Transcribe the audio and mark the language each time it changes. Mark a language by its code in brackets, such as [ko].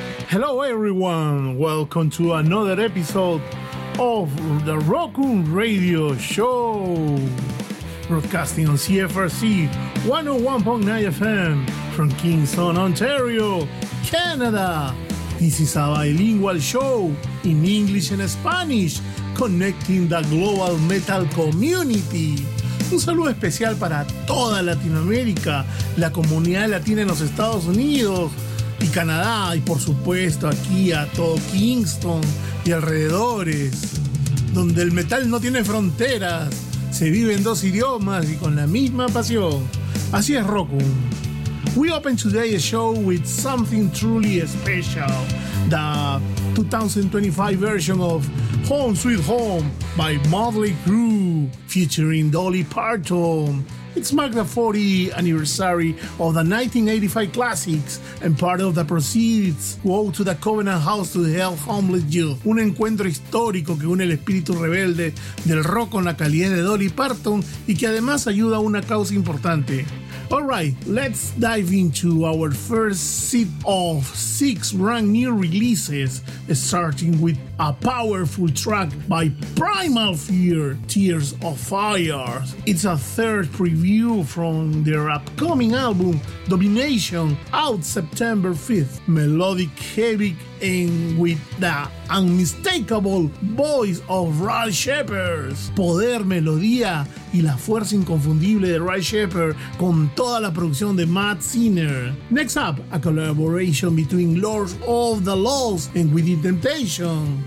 [en] Hello everyone, welcome to another episode of the Rock'em Radio Show, broadcasting on CFRC 101.9 FM from Kingston, Ontario, Canada. This is a bilingual show in English and Spanish, connecting the global metal community. [es] Un saludo especial para toda Latinoamérica, la comunidad latina en los Estados Unidos y Canadá, y por supuesto aquí a todo Kingston y alrededores, donde el metal no tiene fronteras, se vive en dos idiomas y con la misma pasión. Así es [en] Rock'em. We open today a show with something truly special, the 2025 version of Home Sweet Home by Motley Crue, featuring Dolly Parton. It's marked the 40th anniversary of the 1985 classics, and part of the proceeds go to the Covenant House to help homeless youth. [es] Un encuentro histórico que une el espíritu rebelde del rock con la calidez de Dolly Parton y que además ayuda a una causa importante. [en] Alright, let's dive into our first set of six brand new releases, starting with a powerful track by Primal Fear, Tears of Fire. It's a third preview from their upcoming album, Domination, out September 5th. Melodic, heavy, and with the unmistakable voice of Ral Shepherd. [es] Poder, melodía y la fuerza inconfundible de Ral Shepherd con toda la producción de Matt Sinner. [en] Next up, a collaboration between Lords of the Lost and Within Temptation.